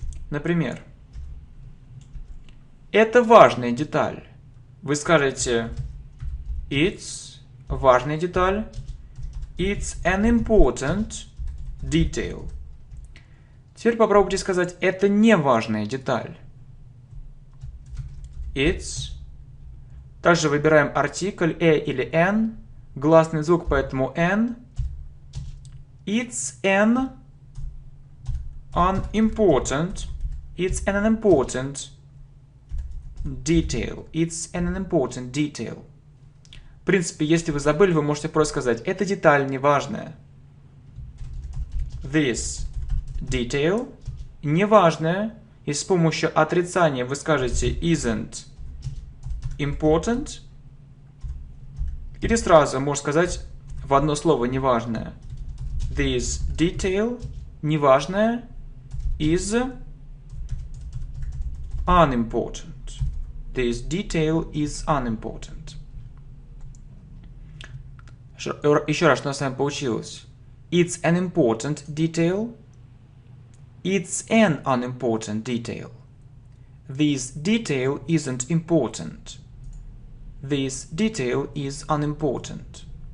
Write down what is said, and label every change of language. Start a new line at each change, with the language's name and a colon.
Russian: Например, это важная деталь. Вы скажете
English: it's
Russian: важная деталь.
English: It's an important detail.
Russian: Теперь попробуйте сказать это не важная деталь.
English: It's.
Russian: Также выбираем артикль a или n. Гласный звук, поэтому n.
English: It's an unimportant. It's an unimportant detail. It's an unimportant detail.
Russian: В принципе, если вы забыли, вы можете просто сказать, эта деталь неважная.
English: This detail
Russian: неважная. И с помощью отрицания вы скажете
English: isn't important.
Russian: Или сразу можно сказать в одно слово неважное.
English: This detail
Russian: неважная
English: is unimportant. This detail is unimportant.
Russian: Еще раз, что у нас с вами получилось.
English: It's an important detail. It's an unimportant detail. This detail isn't important. This detail is unimportant.